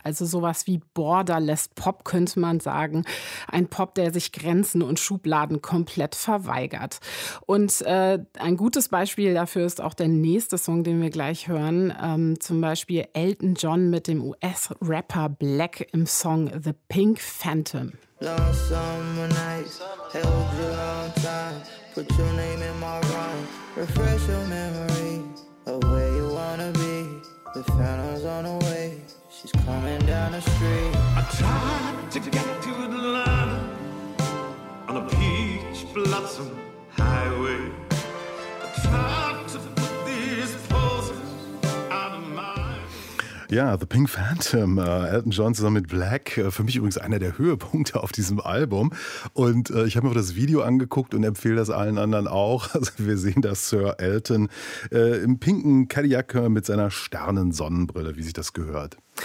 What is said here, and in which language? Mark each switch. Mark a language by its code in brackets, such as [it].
[de] Also sowas wie Borderless Pop, könnte man sagen. Ein Pop, der sich Grenzen und Schubladen komplett verweigert. Und ein gutes Beispiel dafür ist auch der nächste Song, den wir gleich hören. Zum Beispiel Elton John mit dem US-Rapper Black im Song The Pink Phantom. [en] Last summer nights, held you long time. Put your name in my rhyme. Refresh your memory. Of where you wanna be. The phantom's on the way. She's coming down the street. I tried to get to Atlanta on a peach blossom highway. I tried to put these poses out of my. [de] Ja, The Pink Phantom, Elton John zusammen mit Black, für mich übrigens einer der Höhepunkte auf diesem Album. Und ich habe mir das Video angeguckt und empfehle das allen anderen auch. Also wir sehen da Sir Elton im pinken Cadillac mit seiner Sternensonnenbrille, wie sich das gehört.